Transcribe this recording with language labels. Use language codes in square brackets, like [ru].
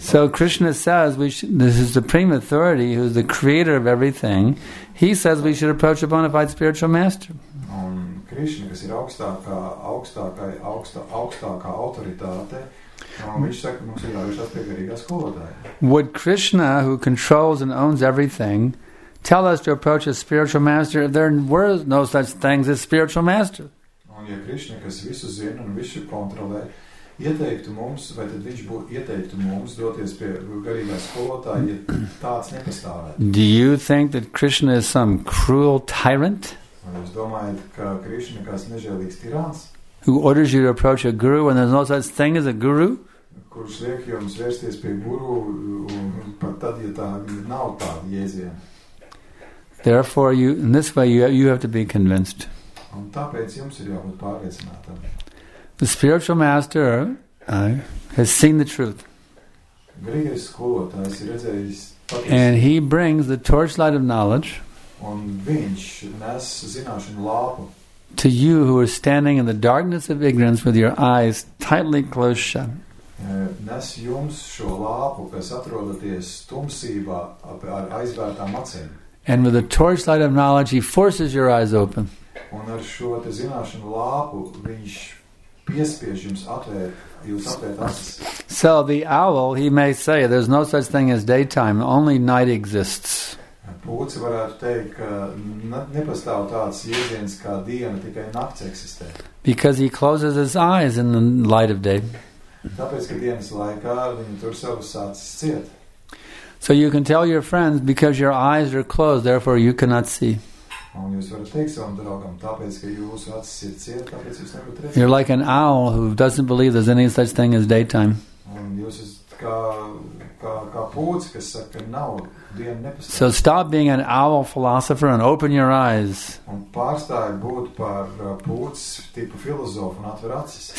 [en] So Krishna says, this is the supreme authority, who is the creator of everything, he says we should approach a bona fide spiritual master. [lv] Un Krishna, kas ir augstākā autoritāte, viņš saka, mums ir jāvēršās pie garīgā skolotāja. [en] Would Krishna, who controls and owns everything, tell us to approach a spiritual master if there were no such things as spiritual master? [lv] Un ja Krishna, kas visu zina un visu kontrolē, ieteiktu mums, vai tad viņš ieteiktu mums doties pie garīgā skolotāja, ja tāds nepastāvētu? [en] Do you think that Krishna is some cruel tyrant? [lv] Vai jūs domājat, ka Krishna kāds nežēlīgs tirāns? [en] Who orders you to approach a guru when there's no such thing as a guru? [lv] Kurš liek jums vērsties pie guru, un pat tad, ja tā nav tāda jēziena. [en] Therefore, you, in this way, you have to be convinced. [lv] Un tāpēc jums ir jābūt pārliecinātam. [en] The spiritual master has seen the truth. [lv] Garīgais skolotājs ir redzējis patiesību. [en] And he brings the torchlight of knowledge. [lv] Un viņš nes zināšanu lāpu. [en] To you who are standing in the darkness of ignorance with your eyes tightly closed shut. [lv] Nes jums šo lāpu, kas atrodaties tumsībā ar aizvērtām acīm. [en] And with the torchlight of knowledge, he forces your eyes open. [lv] Un ar šo te zināšanu lāpu, viņš piespiež jums atvērt, jūs atvērt acis. [en] So the owl, he may say, there's no such thing as daytime, only night exists. [lv] Pūci varētu teikt, ka nepastāv tāds jēdziens, kā diena, tikai nakts eksistē. [en] Because he closes his eyes in the light of day. [lv] Tāpēc, ka dienas laikā viņi tur savus acis ciet. [en] So you can tell your friends, because your eyes are closed, therefore you cannot see. [lv] Un jūs varat teikt savam draugam, tāpēc, ka jūsu acis ir ciet, tāpēc jūs nevarat redzēt. [en] You're like an owl who doesn't believe there's any such thing as daytime. [lv] Un jūs esat kā pūci, kas saka, ka nav diena nepastāv. [en] So stop being an owl philosopher and open your eyes. [lv] Un pārstāj būt par pūcis tipu filozofu un atver acis.